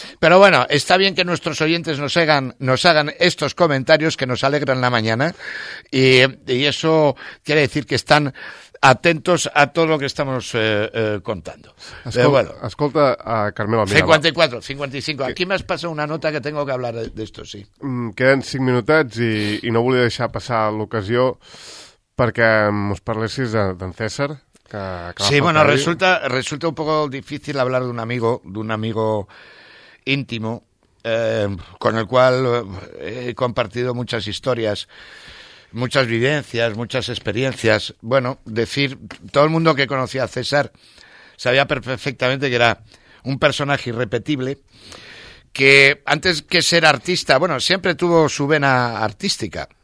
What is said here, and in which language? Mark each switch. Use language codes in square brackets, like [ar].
[es] Pero bueno, está bien que nuestros oyentes nos hagan estos comentarios que nos alegran la mañana, y eso quiere decir que están atentos a todo lo que estamos contando. [ca] Escolta, a Carmelo, 54, 55. [es] Aquí me has pasado una nota que tengo que hablar de esto, sí. Quedan 5 minutos y [ca] no volia deixar passar l'ocasió perquè ens parlessis d'en César. [es] Sí, bueno, resulta un poco difícil hablar de un amigo íntimo con el cual he compartido muchas historias, muchas vivencias, muchas experiencias. Bueno, decir, todo el mundo que conocía a César sabía perfectamente que era un personaje irrepetible, que antes que ser artista, bueno, siempre tuvo su vena artística.